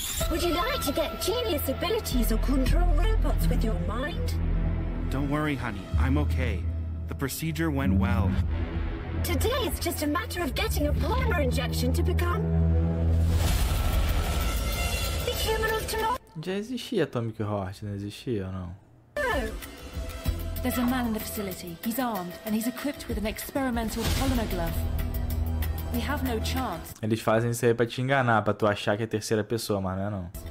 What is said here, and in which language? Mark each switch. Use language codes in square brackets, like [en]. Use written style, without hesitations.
[en] Would you like to get genius abilities or control robots with your mind? Don't worry, honey. I'm okay. The procedure went well. Today it's just a matter of getting a polymer injection to become the human of tomorrow. [pt] Já existia Atomic Heart, não existia ou não? [en] There's a man in the facility. He's armed and he's equipped with an experimental polymer glove. We have no chance. [pt] Eles fazem isso aí pra te enganar, pra tu achar que é terceira pessoa, mas não é não.